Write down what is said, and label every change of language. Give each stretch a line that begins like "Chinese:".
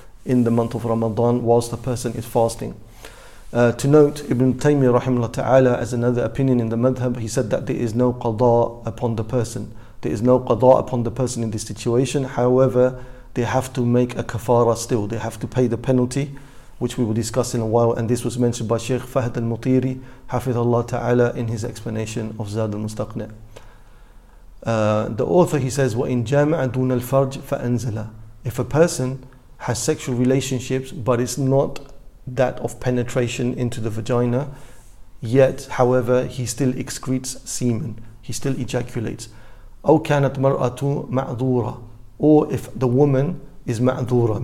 English: in the month of Ramadan whilst the person is fasting. To note, Ibn Taymiyyah rahimahullah ta'ala, as another opinion in the madhab, he said that there is no qada upon the person. There is no qada upon the person in this situation. However, they have to make a kafara still. They have to pay the penalty, which we will discuss in a while. And this was mentioned by Shaykh Fahd al-Mutiri, hafidhullah ta'ala, in his explanation of Zad al-Mustaqna. The author, he says,
Arabic: وَإِن جَامَعَ دُونَ الْفَرْجِ فَأَنزَلَ.
English: If a person has sexual relationships, but it's not that of penetration into the vagina, yet, however, he still excretes semen, he still ejaculates.
Arabic: أَوْ كَانَتْ مَرْأَةُ مَعْذُورَ.
English: Or if the woman is ma'dura.